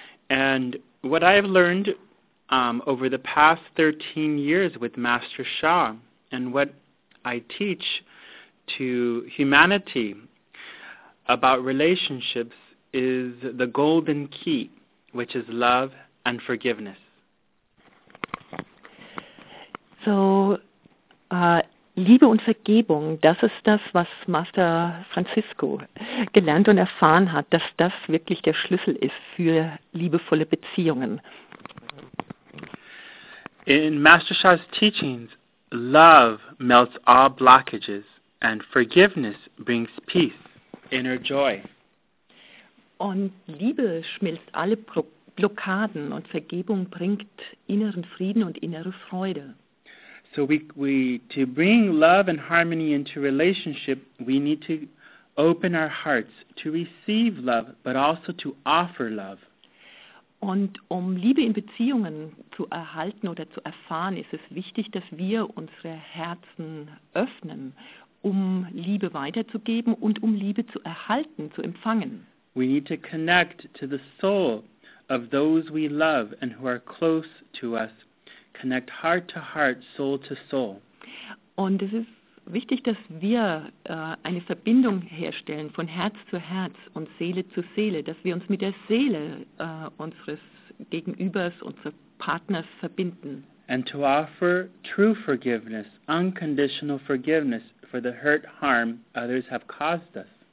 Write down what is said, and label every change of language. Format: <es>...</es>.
<en>And what I have learned over the past 13 years with Master Shah and what I teach to humanity about relationships is the golden key, which is love and forgiveness.</en> <de>So Liebe und Vergebung, das ist das, was Master Francisco gelernt und erfahren hat, dass das wirklich der Schlüssel ist für liebevolle Beziehungen.</de> <en>In Master Shah's teachings, love melts all blockages and forgiveness brings peace, inner joy.</en> <de>Und Liebe schmilzt alle Blockaden und Vergebung bringt inneren Frieden und innere Freude.</de> <en>So we to bring love and harmony into relationship, we need to open our hearts to receive love, but also to offer love.</en> <de>Und um Liebe in Beziehungen zu erhalten oder zu erfahren, ist es wichtig, dass wir unsere Herzen öffnen, um Liebe weiterzugeben und um Liebe zu erhalten, zu empfangen.</de> <en>We need to connect to the soul of those we love and who are close to us. Connect heart to heart, soul to soul.</en> <de>Und es ist wichtig, dass wir eine Verbindung herstellen von Herz zu Herz und Seele zu Seele, dass wir uns mit der Seele unseres Gegenübers, unseres Partners verbinden.</de> <en>And to offer true forgiveness, unconditional forgiveness for the hurt, harm others have caused us.</en>